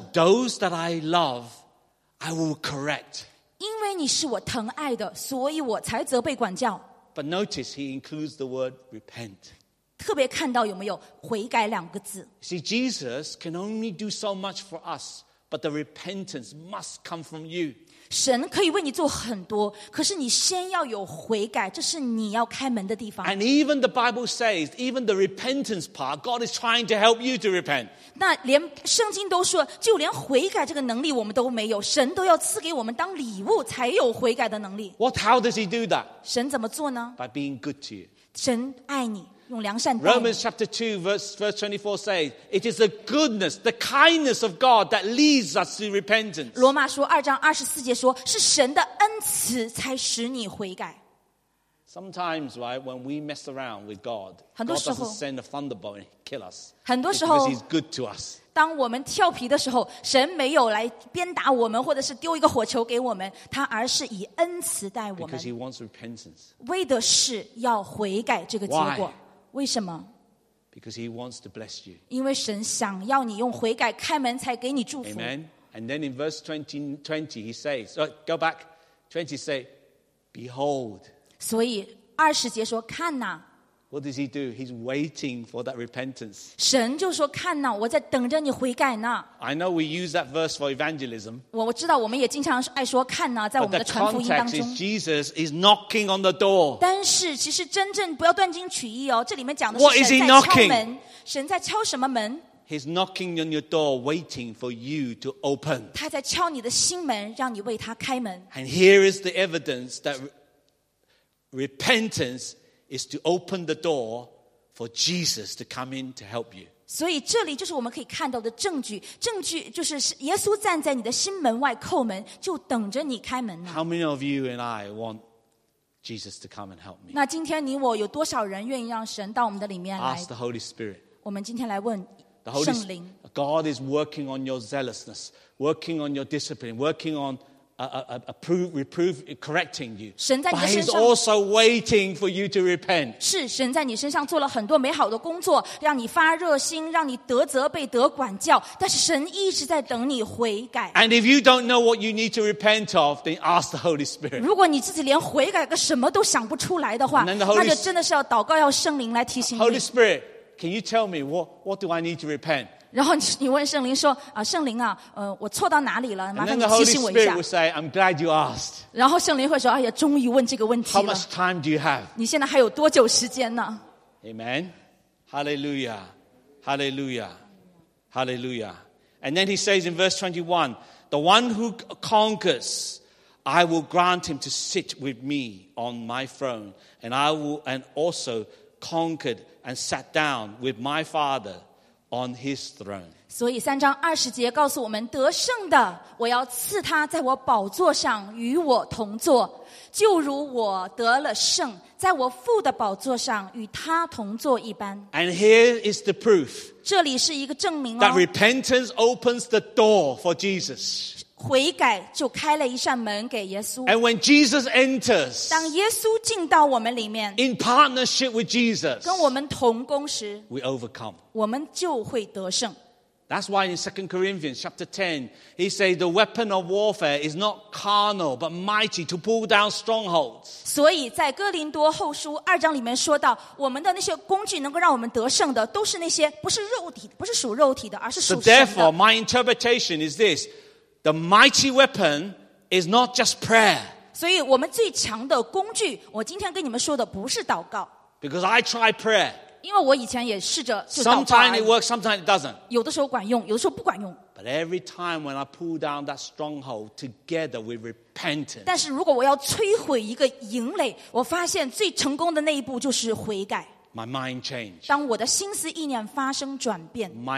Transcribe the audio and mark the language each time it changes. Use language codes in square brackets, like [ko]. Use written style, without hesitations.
[en] said, Those that I love I will correct [zh] 因为你是我疼爱的所以我才责备管教 [en] But notice he includes the word repent [zh] 特别看到有没有悔改两个字 [en] See Jesus can only do so much for us But the repentance must come from you [zh] 神可以为你做很多可是你先要有悔改这是你要开门的地方 [en] And even the Bible says even the repentance part God is trying to help you to repent [zh] 那连圣经都说就连悔改这个能力我们都没有神都要赐给我们当礼物才有悔改的能力 [en] What, How does he do that? [zh] 神怎么做呢 [en] By being good to you [zh] 神爱你用良善待你 [en] Romans chapter 2 verse 24 says It is the goodness, the kindness of God that leads us to repentance [zh] 罗马书二章二十四节说是神的恩慈才使你悔改 [en] Sometimes, right, when we mess around with God [zh] 很多时候 [en] God doesn't send a thunderbolt and kill us [zh] 很多时候 [en] Because he's good to us [zh] 当我们调皮的时候神没有来鞭打我们或者是丢一个火球给我们他而是以恩慈待我们 [en] Because he wants repentance [zh] 为的是要悔改这个结果 [en] Why? [zh] 为什么 [en] Because he wants to bless you. [zh] 因为神想要你用悔改开门才给你祝福 [en] Amen. And then in verse 20 he says, go back, 20 say, behold. [zh] 所以二十节说看哪 [en] What does he do? He's waiting for that repentance. [zh] 神就说看哪我在等着你悔改呢 [en] I know we use that verse for evangelism. [zh] 我知道我们也经常爱说看哪在我们的传福音当中 [en] But the context is Jesus is knocking on the door. [zh] 但是其实真正不要断经取义哦这里面讲的是神在敲门 [en] What is he knocking? [zh] 神在敲什么门 [en] He's knocking on your door waiting for you to open. [zh] 他在敲你的心门让你为他开门 [en] And here is the evidence that repentance is to open the door for Jesus to come in to help you. [zh] 所以这里就是我们可以看到的证据。证据就是耶稣站在你的心门外叩门，就等着你开门呢。 [en] How many of you and I want Jesus to come and help me? [zh] 那今天你我有多少人愿意让神到我们的里面来 [en] ？Ask the Holy Spirit. [zh] 我们今天来问圣灵。 [en] God is working on your zealousness, working on your discipline, working on. Reprove, correcting you. [zh] 神在你的身上 [en] But he's also waiting for you to repent. [zh] 是神在你身上做了很多美好的工作，让你发热心，让你得责备、得管教。但是神一直在等你悔改。 [en] And if you don't know what you need to repent of, then ask the Holy Spirit. [zh] 如果你自己连悔改个什么都想不出来的话，那就真的是要祷告，要圣灵来提醒你。 [en] Holy Spirit, can you tell me what do I need to repent? [zh] 然后你问圣灵说啊，圣灵啊，我错到哪里了？麻烦你提醒我一下。 [en] Say, I'm glad you asked. [zh] 然后圣灵会说，哎呀，终于问这个问题了。 [en] How much time do you have? [zh] 你现在还有多久时间呢 [en] ？Amen. Hallelujah. Hallelujah. Hallelujah. And then he says in verse 21, "The one who conquers, I will grant him to sit with me on my throne, and I will and also conquered and sat down with my father." On his throne. [zh] 所以三章二十节告诉我们，得胜的，我要赐他在我宝座上与我同坐，就如我得了胜，在我父的宝座上与他同坐一般。 [en] And here is the proof. [zh] 这里是一个证明哦。 [en] That repentance opens the door for Jesus. [zh] 悔改就开了一扇门给耶稣。 [en] And when Jesus enters, [zh] 当耶稣进到我们里面 [en] ，in partnership with Jesus, [zh] 跟我们同工时 [en] ，we overcome. [zh] 我们就会得胜。 [en] That's why in 2 Corinthians chapter 10, he says the weapon of warfare is not carnal but mighty to pull down strongholds. [zh] 所以在哥林多后书二章里面说到，我们的那些工具能够让我们得胜的，都是那些不是肉体，不是属肉体的，而是属神的。 [en] So therefore, my interpretation is this: the mighty weapon is not just prayer. [zh] 所以我们最强的工具，我今天跟你们说的不是祷告。 [en] Because I try prayer. [zh] 因为我以前也试着就祷告。 [en] Sometimes it works, sometimes it doesn't. [zh] 有的时候管用，有的时候不管用。 [en] But every time when I pull down that stronghold together with repentance. [zh] 但是如果我要摧毁一个营垒，我发现最成功的那一步就是悔改。 [en] My mind changes. [zh] 当我的心思意念发生转变。